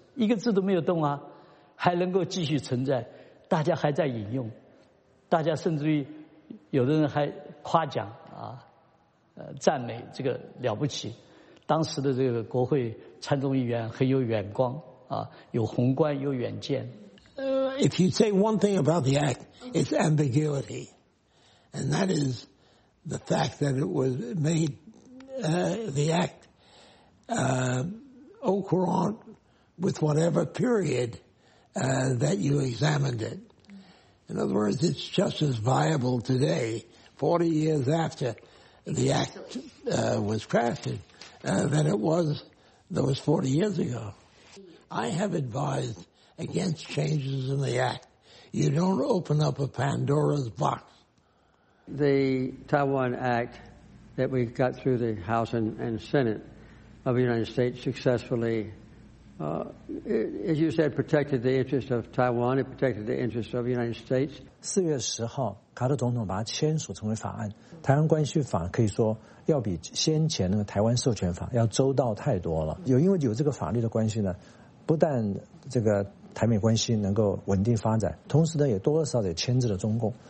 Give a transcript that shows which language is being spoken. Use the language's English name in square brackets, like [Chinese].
[Chinese] 一个字都没有动啊，还能够继续存在，大家还在引用，大家甚至于有的人还夸奖啊，赞美这个了不起。当时的这个国会参众议员很有眼光啊，有宏观有远见。 [English] if you say one thing about the act, it's ambiguity. And that is the fact that it was made, the act, au courant with whatever period that you examined it. In other words, it's just as viable today, 40 years after the act was crafted, than it was those 40 years ago. I have advised against changes in the act. You don't open up a Pandora's box. The Taiwan Act that we got through the House and Senate of the United States successfully, as you said, protected the interests of Taiwan, it protected the interests of the United States. [Chinese] 4月10号，卡特总统把它签署成为法案，台湾关系法可以说要比先前那个台湾授权法要周到太多了。有因为有这个法律的关系呢，不但这个台美关系能够稳定发展，同时呢也多多少少也牵制了中共。